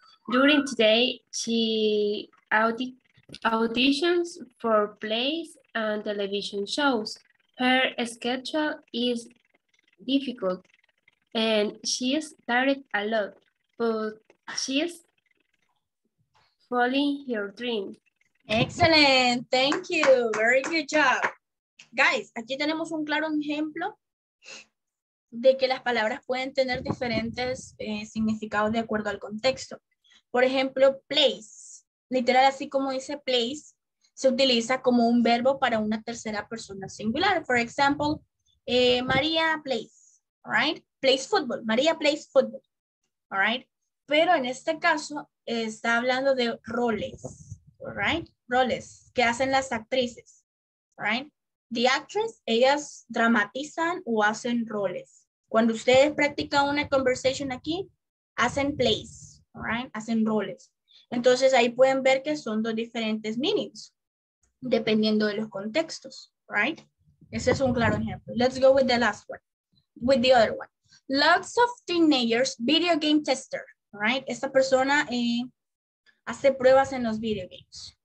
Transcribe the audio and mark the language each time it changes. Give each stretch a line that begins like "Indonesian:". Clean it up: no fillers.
English: During today, she auditions for plays and television shows. Her schedule is difficult and she's tired a lot, but she's following her dream. Excellent, thank you, very good job.
Spanish: Guys, aquí tenemos un claro ejemplo de que las palabras pueden tener diferentes significados de acuerdo al contexto. Por ejemplo, place, literal así como dice place, se utiliza como un verbo para una tercera persona singular.
English: For example, María plays, right? Plays football, María plays football,
Spanish: alright? Pero en este caso está hablando de roles, alright? Roles que hacen las actrices, right?
English: The actress,
Spanish: ellas dramatizan o hacen roles. Cuando ustedes practican una conversation aquí, hacen plays, right? Hacen roles. Entonces ahí pueden ver que son dos diferentes meanings, dependiendo de los contextos, right? Ese es un claro ejemplo.
English: Let's go with the last one, with the other one. Lots of teenagers video game tester, right?
Spanish: Esta persona hace pruebas en los video games.